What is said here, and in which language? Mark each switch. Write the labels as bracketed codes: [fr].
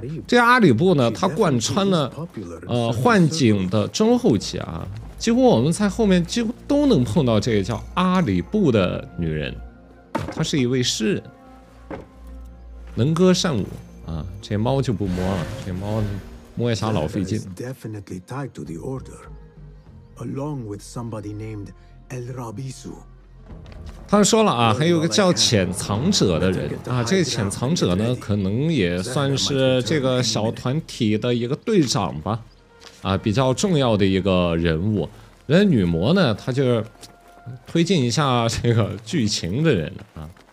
[zh] 这阿里布呢，他贯穿了幻境的中后期啊，几乎我们在后面几乎都能碰到这个叫阿里布的女人，她是一位诗人，能歌善舞啊。这猫就不摸了，这猫摸一下老费劲。 [en] Definitely tied to the order, along with somebody named El Rabisu。 [zh] 他说了啊，还有个叫潜藏者的人啊，这个潜藏者呢可能也算是这个小团体的一个队长吧啊，比较重要的一个人物。人女魔呢他就推进一下这个剧情的人啊。